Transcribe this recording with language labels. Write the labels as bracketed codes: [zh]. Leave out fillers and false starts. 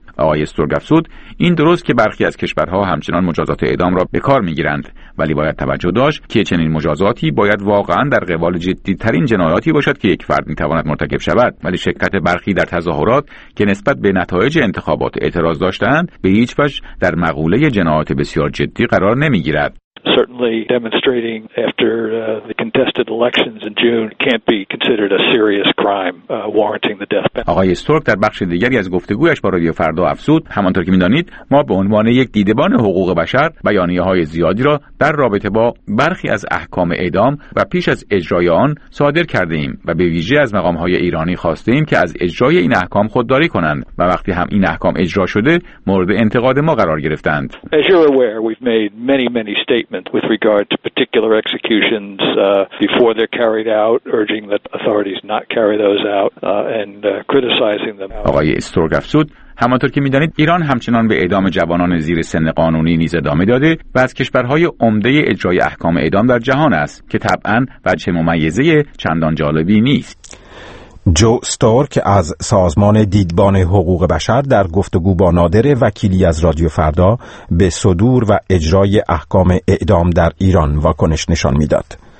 [fa] آقای استورک افزود این درست که برخی از کشورها همچنان مجازات اعدام را به کار می‌گیرند، ولی باید توجه داشت که چنین مجازاتی باید واقعاً در قبال جدی‌ترین جنایاتی باشد که یک فرد می‌تواند مرتکب شود، ولی شرکت برخی در تظاهرات که نسبت به نتایج انتخابات اعتراض داشتند به هیچ وجه در مقوله جنایات بسیار جدی قرار نمی‌گیرد. [en] Certainly demonstrating after the contested elections in June can't be considered a serious crime warranting the death penalty. [fa] آقای استورک در بخش دیگری از گفتگویش با رادیو فردا افزود: همانطور که می‌دانید ما به عنوان یک دیدبان حقوق بشر بیانیه‌های زیادی را در رابطه با برخی از احکام اعدام و پیش از اجرای آن صادر کرده‌ایم و به ویژه از مقام‌های ایرانی خواسته‌ایم که از اجرای این احکام خودداری کنند و وقتی هم این احکام اجرا شده مورد انتقاد ما قرار گرفتند. [en] As you're aware, we've made many with regard to particular executions before they're carried out, urging that authorities not carry those out and criticizing them. [fa] آقای استورک افزود: همانطور که می‌دانید ایران همچنان به اعدام جوانان زیر سن قانونی نیز ادامه داده و از کشورهای عمده اجرای احکام اعدام در جهان است که طبعاً وجه ممیزه چندان جالبی نیست. جو استورک از سازمان دیدبان حقوق بشر در گفتگو با نادر وکیلی از رادیو فردا به صدور و اجرای احکام اعدام در ایران واکنش نشان می‌داد.